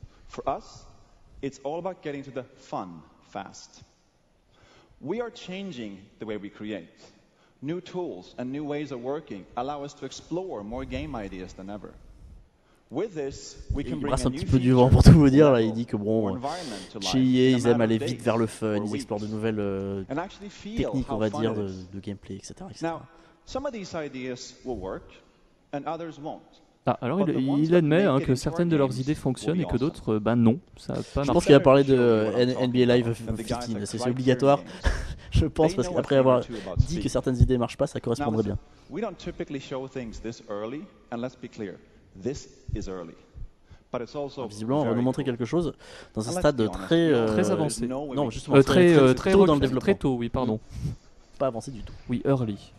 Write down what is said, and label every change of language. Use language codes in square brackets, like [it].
[en] For us, it's all about getting to the fun fast. We are changing the way we create. New tools and new ways of working allow us to explore more game ideas than ever. With this, we can bring a new feature to the world. Environment to life. [fr] Il dit que bon, chez ils aiment aller vite vers le fun, ils explorent de nouvelles techniques, on va dire, de gameplay, etc. [en] Now, some of these ideas will work, and others won't. [fr] Ah, alors il admet hein, que certaines de leurs idées fonctionnent et que d'autres, ben non, ça n'a pas marché. Je pense qu'il a parlé de NBA Live 15, c'est obligatoire. Je pense, parce qu'après avoir dit que certaines idées ne marchent pas, ça correspondrait bien. [en] We don't typically show things this early, and let's be clear, this is early. But it's also [fr] visiblement, on va nous montrer quelque chose dans un stade très... très avancé. Non, justement, très tôt dans le développement. Très tôt, oui, pardon. Pas avancé du tout. Oui, early.